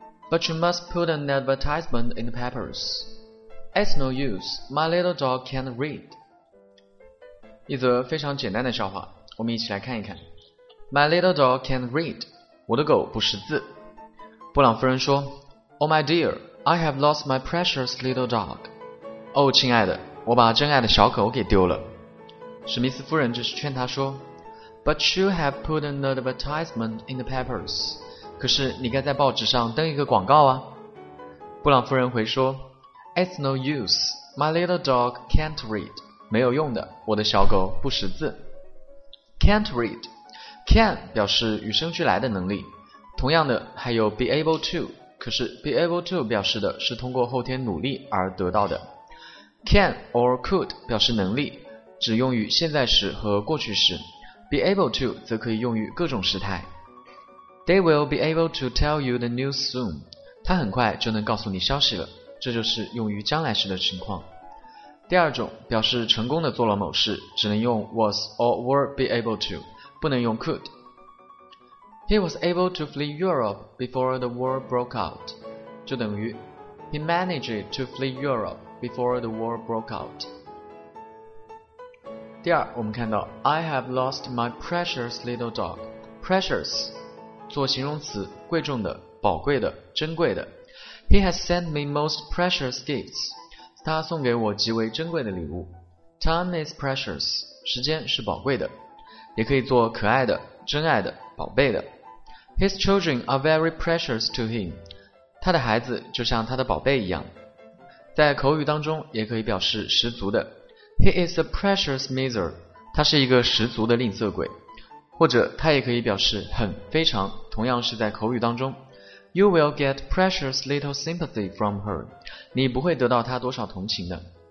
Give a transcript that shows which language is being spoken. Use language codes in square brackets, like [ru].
[en] But you must put an advertisement in the papers. It's no use, my little dog can read. [zh] 一则非常简单的笑话，我们一起来看一看。 [en] My little dog can read. [zh] 我的狗不识字。布朗夫人说， [en] Oh my dear, I have lost my precious little dog. [zh] 哦，亲爱的，我把真爱的小狗给丢了。史密斯夫人这时劝他说， [en] But you have put an advertisement in the papers. [zh] 可是你该在报纸上登一个广告啊。布朗夫人回说， [en] It's no use, my little dog can't read. [zh] 没有用的，我的小狗不识字。 [en] Can't read. [zh] Can 表示与生俱来的能力，同样的还有 be able to， 可是 be able to 表示的是通过后天努力而得到的。 Can or could 表示能力，只用于现在时和过去时。 Be able to 则可以用于各种时态。 [en] They will be able to tell you the news soon. [zh] 他很快就能告诉你消息了，这就是用于将来时的情况。第二种，表示成功的做了某事，只能用 was or were be able to， 不能用 could。 [en] He was able to flee Europe before the war broke out. [zh] 就等于 [en] He managed to flee Europe. Before the war broke out. [zh] 第二，我们看到 [en] I have lost my precious little dog. [zh] Precious 做形容词，贵重的，宝贵的，珍贵的。 [en] He has sent me most precious gifts. [zh] 他送给我极为珍贵的礼物。 [en] Time is precious. [zh] 时间是宝贵的，也可以做可爱的，真爱的，宝贝的。 [en] His children are very precious to him. [zh] 他的孩子就像他的宝贝一样。在口语当中也可以表示十足的， [en] He is a precious miser. [zh] 他是一个十足的吝啬鬼。或者他也可以表示很，非常，同样是在口语当中。 [en] You will get precious little sympathy from her. [zh] 你不会得到他多少同情的。